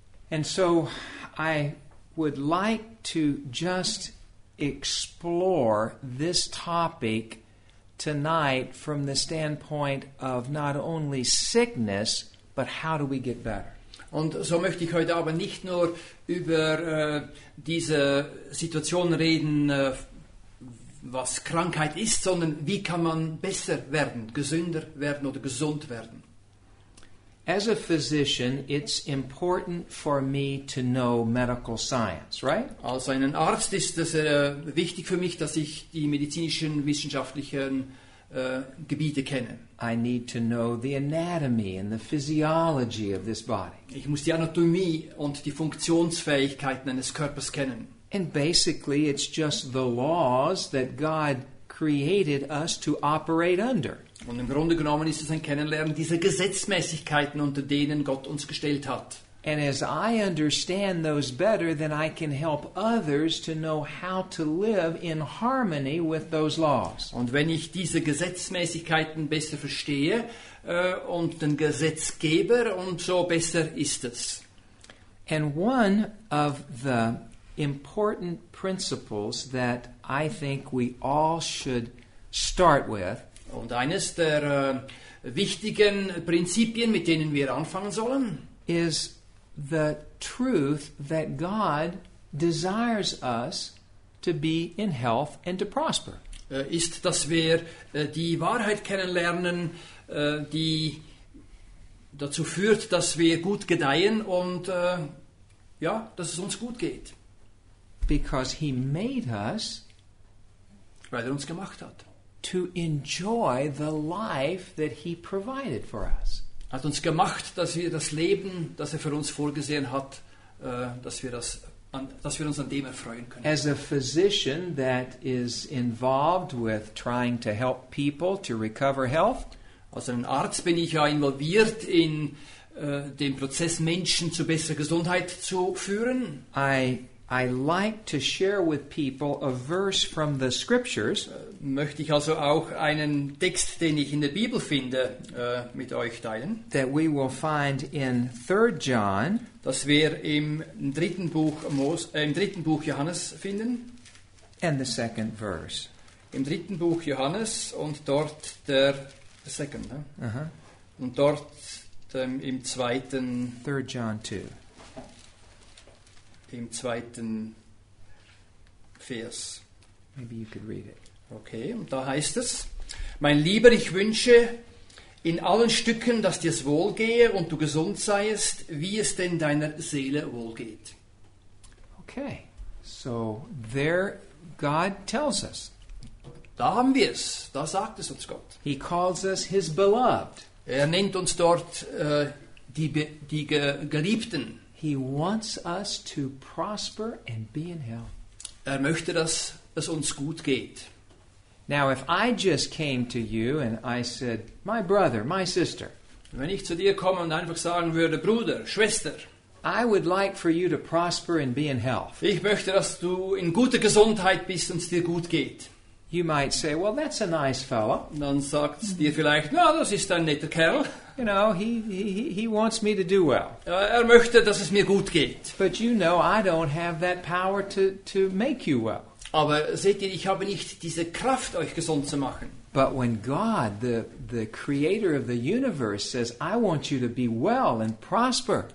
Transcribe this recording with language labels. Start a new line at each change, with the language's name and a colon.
English: And so I would like to just explore this topic tonight from the standpoint of not only sickness, but how do we get better?
German: Und so möchte ich heute aber nicht nur über diese Situation reden, was Krankheit ist, sondern wie kann man besser werden, gesünder werden oder gesund werden.
English: As a physician, it's important for me to know medical science, right?
German: Als einen Arzt ist es wichtig für mich, dass ich die medizinischen, wissenschaftlichen Gebiete kenne.
English: I need to know the anatomy and the physiology of this body.
German: Ich muss die Anatomie und die Funktionsfähigkeiten eines Körpers kennen.
English: And basically it's just the laws that God created us to operate under.
German: Und im Grunde genommen ist es ein Kennenlernen dieser Gesetzmäßigkeiten, unter denen Gott uns gestellt hat.
English: And as I understand those better, then I can help others to know how to live in harmony with those laws.
German: Und wenn ich diese Gesetzmäßigkeiten besser verstehe, und den Gesetzgeber, und so besser ist es.
English: And one of the important principles that I think we all should start with.
German: Und eines der wichtigen Prinzipien, mit denen wir anfangen sollen,
English: is the truth that God desires us to be in health and to prosper.
German: Ist, dass wir die Wahrheit kennenlernen, die dazu führt, dass wir gut gedeihen und ja, dass es uns gut geht.
English: Because he made us,
German: weil er uns gemacht hat,
English: to enjoy the life that he provided for us.
German: Hat uns gemacht, dass wir das Leben, das er für uns vorgesehen hat, dass wir uns an dem erfreuen können.
English: As a physician that is involved with trying to help people to recover health,
German: als ein Arzt bin ich ja involviert in dem Prozess, Menschen zu besserer Gesundheit zu führen.
English: I like to share with people a verse from the scriptures.
German: Möchte ich also auch einen Text, den ich in der Bibel finde, mit euch teilen.
English: That we will find in 3 John.
German: Das wir im dritten Buch im dritten Buch Johannes finden.
English: And the second verse.
German: Im dritten Buch Johannes und dort der second. Uh-huh. Und dort im zweiten.
English: 3 John 2.
German: Im zweiten Vers.
English: Maybe you could read it.
German: Okay, und da heißt es: Mein Lieber, ich wünsche in allen Stücken, dass dir es wohlgehe und du gesund seiest, wie es denn deiner Seele wohlgeht.
English: Okay, so there God tells us.
German: Da haben wir es, da sagt es uns Gott.
English: He calls us his beloved.
German: nennt uns dort die Geliebten.
English: He wants us to prosper and be in health.
German: Er möchte, dass es uns gut geht.
English: Now, if I just came to you and I said, my brother, my sister,
German: wenn ich zu dir komme und einfach sagen würde, Bruder, Schwester,
English: I would like for you to prosper and be in health.
German: Ich möchte, dass du in guter Gesundheit bist und es dir gut geht.
English: You might say, well, that's a nice fella.
German: Dann sagt es dir vielleicht, na, das ist ein netter Kerl.
English: You know, he wants me to do well.
German: Er möchte, dass es mir gut geht.
English: But you know, I don't have that power to make you well.
German: Aber seht ihr, ich habe nicht diese Kraft, euch gesund zu machen.
English: But when God, the creator of the universe, says, I want you to be well and prosper.